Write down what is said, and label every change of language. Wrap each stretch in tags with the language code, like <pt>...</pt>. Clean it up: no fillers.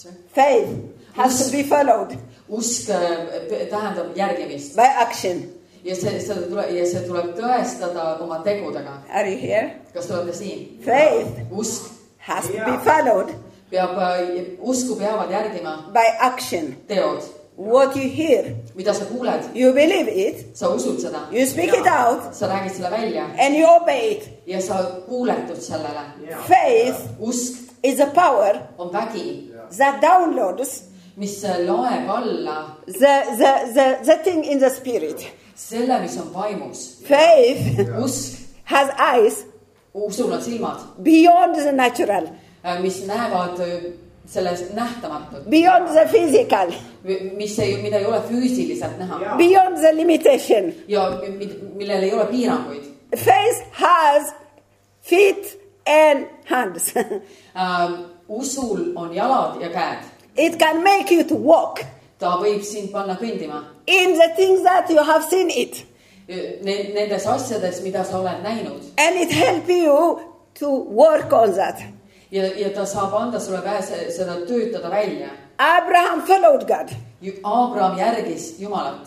<en>Faith has to be followed.</en> <et>Usk tähendab järgimist.</et> <en>By action.</en> <et>Ja see tuleb tõestada oma tegudega.</et> <en>Are you here?</en> <et>Kas te olete siin?</et> <en>Faith</en> <et>usk</et> <en>has to be followed.</en> <et>Usku peavad järgima.</et> <en>By action.</en> <et>Teod.</et> <en>What you hear.</en> <et>Mida sa kuuled.</et> <en>You believe it.</en> <et>Sa usud seda.</et> <en>You speak it out.</en> <et>Sa räägid selle välja.</et> <en>And you obey it.</en> <et>Ja sa kuuletud sellele.</et> <en>Faith</en> <et>usk</et> <en>is a power.</en> <et>On vägi.</et> <en>That downloads.</en> <et>Mis loeb alla.</et> <en>The thing in the spirit.</en> <et>Selle, mis on vaimus.</et> <en>Faith</en> <et>usk</et> <en>has eyes.</en> <et>Usul on silmad.</et> <en>Beyond the natural.</en> <et>Mis näevad selles nähtamatud.</et> <en>Beyond the physical.</en> <et>Mida ei ole füüsiliselt näha.</et> <en>Yeah. Beyond the limitation.</en> <et>Ja millel ei ole piiranguid.</et> <en>Faith has feet and hands.</en> <et>Usul on jalad ja käed.</et> <en>It can make you to walk.</en> <et>Ta võib sind panna kõndima.</et> <en>In the things that you have seen it.</en> <et>Nendes asjades, mida sa oled näinud.</et> <en>And it help you to work on that.</en> <et>Ja ta saab anda sulle käe seda töötada välja.</et> <en>Abraham followed God.</en> <et>Abraham järgis Jumalat.</et>